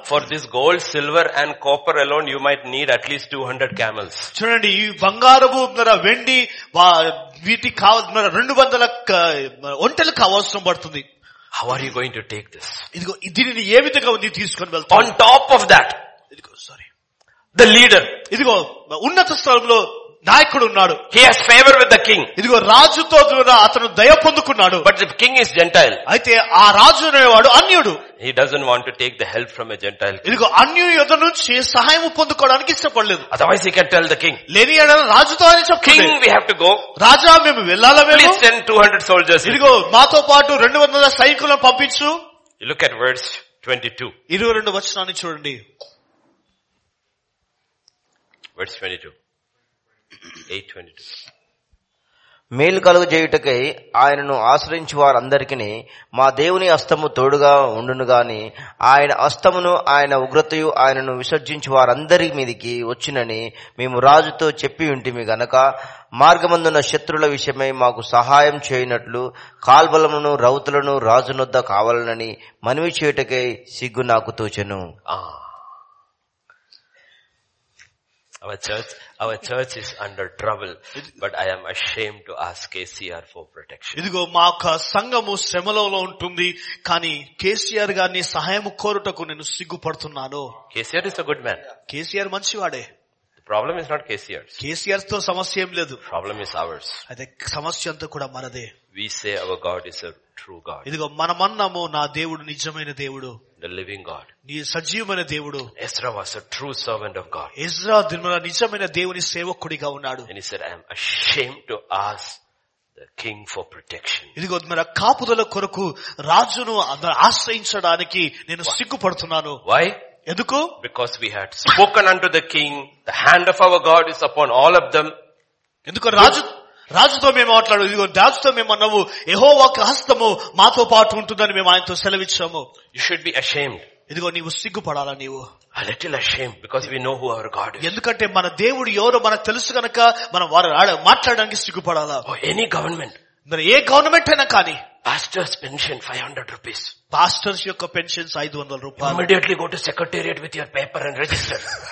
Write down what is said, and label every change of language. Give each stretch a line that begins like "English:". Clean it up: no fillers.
English: For this gold, silver and copper alone, you might need at least 200 camels.
Telugu: చూడండి ఈ బంగారము ద్వారా వెండి వీటి కావాల్సిన 200 ఒంటెలు కావాల్సిన పడుతుంది.
English: How are you going to take this?
Telugu: ఇదిగో దీనిని ఏ విధంగా తీసుకొని వెళ్తా?
English: On top of that,
Telugu: ఇదిగో సారీ,
English: the leader.
Telugu: ఇదిగో ఉన్నత స్థలంలో నాయకుడు ఉన్నాడు.
English: He has favor with the king.
Telugu: ఇదిగో రాజుతో అతను దయ పొందుకున్నాడు.
English: But the king is Gentile.
Telugu: అయితే ఆ రాజు అనేవాడు అన్యుడు.
English: He doesn't want to take the help from a Gentile.
Telugu: ఇదిగో అన్యుని యొద్ద నుంచి సహాయం పొందుకోవడానికి ఇష్టపడలేదు.
English: Otherwise he can tell the king.
Telugu: లేని అడను రాజుతో అని చెప్పు.
English: King, we have to go.
Telugu: రాజా మేము వెళ్ళాలా? మేము
English: 200 soldiers.
Telugu: ఇదిగో మాతో పాటు 200 సైనికులను పంపించు.
English: Look at verse 22.
Telugu: 22 వచనాన్ని చూడండి.
English: Verse 22. 822.
Telugu: మేలు కలుగు చేయుటకై ఆయనను ఆశ్రయించు వారందరికీ మా దేవుని హస్తము తోడుగా ఉండును గాని ఆయన హస్తమును, ఆయన ఉగ్రతయు ఆయనను విసర్జించు వారందరి మీదకి వచ్చునని మేము రాజుతో చెప్పి ఉంటిమి గనక మార్గమందున్న శత్రుల విషయమై మాకు సహాయం చేయనట్లు కాల్బలమును, రౌతులను రాజునొద్ద కావాలనని మనవి చేయుటకై సిగ్గు నాకు తోచెను.
English: Our church is under trouble, but I am ashamed to ask KCR for protection.
Telugu: ఇదిగో మాకు సంఘము శ్రమలో ఉంటుంది, కానీ కేసీఆర్ గారిని సహాయం కోరుటకు నేను సిగ్గుపడుతున్నాను.
English: KCR is a good man.
Telugu: KCR మంచివాడే.
English: The problem is not KCR.
Telugu: KCR తో సమస్య ఏం లేదు.
English: Problem is ours.
Telugu: అయితే సమస్య అంతా కూడా మనదే.
English: We say our God is a true God.
Telugu: ఇదిగో మనమన్నాము నా దేవుడు నిజమైన దేవుడు.
English: The living God.
Telugu: నీ సజీవమైన దేవుడు.
English: Ezra was a true servant of God.
Telugu: Ezra దినమున నిజమైన దేవుని సేవకుడిగా ఉన్నాడు.
English: And he said, I am ashamed to ask the king for protection.
Telugu: ఇదిగో మన కాపుదల కొరకు రాజును ఆశ్రయించడానికి నేను సిగ్గుపడుతున్నాను.
English: Why?
Telugu: ఎందుకు?
English: Because we had spoken unto the king, the hand of our God is upon all of them.
Telugu: ఎందుకు? రాజుతో మేము మాట్లాడు, ఇదిగో దాసుతో మేము అన్నావు, యెహోవా హస్తము మాతో పాటు ఉంటుందని మేము ఆయనతో సెలవిచ్చాము.
English: You should be ashamed.
Telugu: ఇదిగో నీవు సిగ్గుపడాలా నీవు.
English: A little ashamed because we know who our God is.
Telugu: ఎందుకంటే మన దేవుడు ఎవరో మనకు తెలుసు గనక మనం వారి మాట్లాడడానికి సిగ్గుపడాలా.
English: any government,
Telugu: మరి ఏ గవర్నమెంట్ అయినా కానీ
English: Pastors pension 500 rupees.
Telugu: పాస్టర్స్ యొక్క pensions 500 rupees.
English: Immediately go to secretariat with your paper and register.